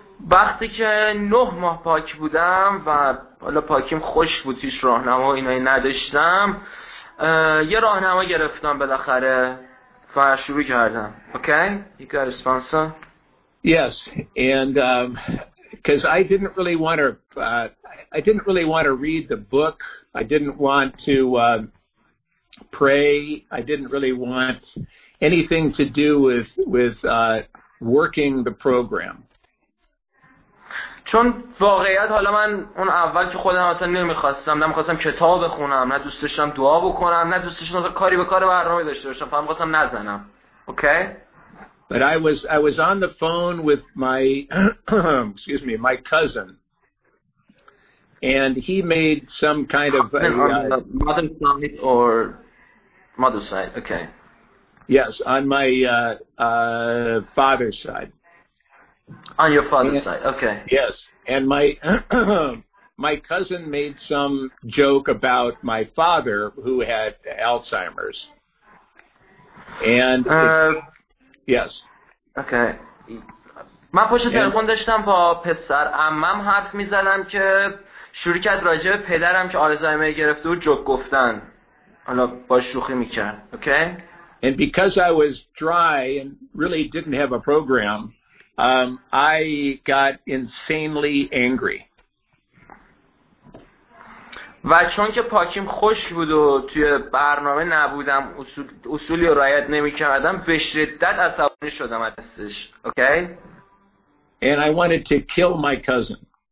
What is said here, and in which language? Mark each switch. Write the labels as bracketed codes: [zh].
[fa] وقتی که 9 ماه پاک بودم و حالا پاکیم خوش بود، هیچ راهنما اینایی نداشتم، یه راهنما گرفتم بالاخره و شروع کردم. [en] Okay, you got a sponsor? Yes, and because I didn't really want to read the book. I didn't want to pray. I didn't really want anything to do with working the program. [fa] چون واقعیت حالا من اون اول که خودم اصلا نمیخواستم، نمیخواستم کتاب بخونم، نه دوست داشتم دعا بکنم، نه دوست داشتم کاری به کار برنامه داشته باشم، فقط میخواستم نزنم. [en] Okay. But I was on the phone with my excuse me, my cousin. And he made some kind of mother side or mother side, okay. Yes, on my father's side. On your father's side, okay. Yes. And my my cousin made some joke about my father who had Alzheimer's. And yes. Okay. [fa] من پشت تلفن داشتم با پسر عمم حرف می‌زدم که شروع کرد راجع به پدرم که آلزایمر گرفته و جوک گفتن. حالا با شوخی می‌کرد. Okay? [en] And because I was dry and really didn't have a program, I got insanely angry. [fa] و چون که پاکیم خشک بود و توی برنامه نبودم، اصولی رعایت نمی‌کردم، به شدت عصبانی شدم ازش. [en] Okay? And I wanted to kill my cousin.